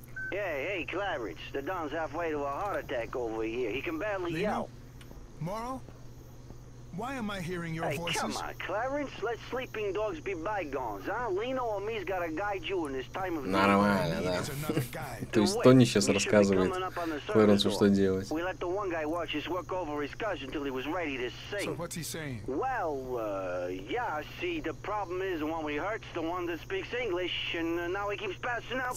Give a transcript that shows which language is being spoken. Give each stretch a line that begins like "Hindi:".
English: Hey, Clarence, the Don's halfway to a heart attack over here. He can barely yell. Morrow? Why am I hearing your voices? Hey, come on, Clarence. Let sleeping dogs be bygones, а? Lino or me's gotta guide you in this time of
Russian: danger. Нормально, да. То есть Тони сейчас рассказывает Клэренсу, что делать.
English: We let the one guy watch us work over his cousin until he was ready to sing. So what's he saying? Well, yeah, see, the problem is the one we hurt's the one that speaks English, and now he keeps passing out